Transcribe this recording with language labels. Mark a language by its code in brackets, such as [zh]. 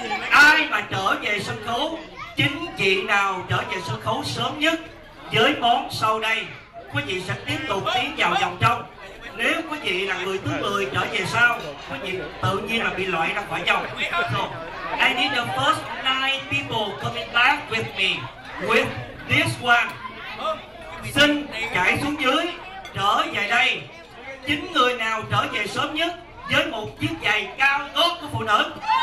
[vi] Ai mà trở về sân khấu, chính chị nào trở về sân khấu sớm nhất với món sau đây, quý vị sẽ tiếp tục tiến vào vòng trong. Nếu quý vị là người thứ 10 trở về sau, quý vị tự nhiên là bị loại ra khỏi vòng. [en] I need the first 9 people coming back with me with this one. [vi] Xin chạy xuống dưới, trở về đây. Chính người nào trở về sớm nhất với một chiếc giày cao gót của phụ nữ.